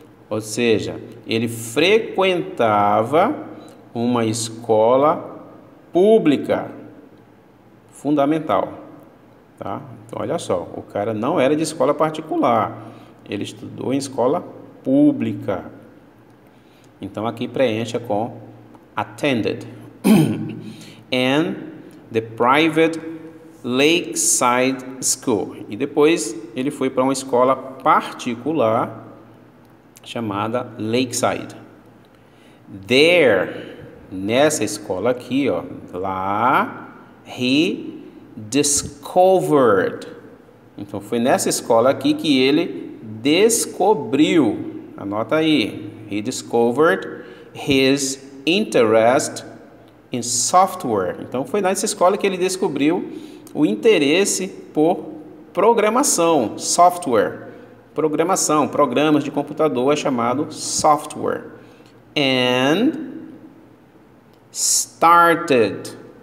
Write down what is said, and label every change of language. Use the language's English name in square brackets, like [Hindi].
[Portuguese] Ou seja, ele frequentava uma escola pública. Fundamental, tá? Olha só, o cara não era de escola particular, ele estudou em escola pública. Então, aqui preencha com attended. [English] And the private lakeside school. [Portuguese] E depois ele foi para uma escola particular chamada Lakeside. There, nessa escola aqui, ó, lá, [English] he discovered. [Portuguese] Então foi nessa escola aqui que ele descobriu. Anota aí. [English] He discovered his interest in software. [Portuguese] Então foi nessa escola que ele descobriu o interesse por programação, software. Programação, programas de computador é chamado software. [English] And started.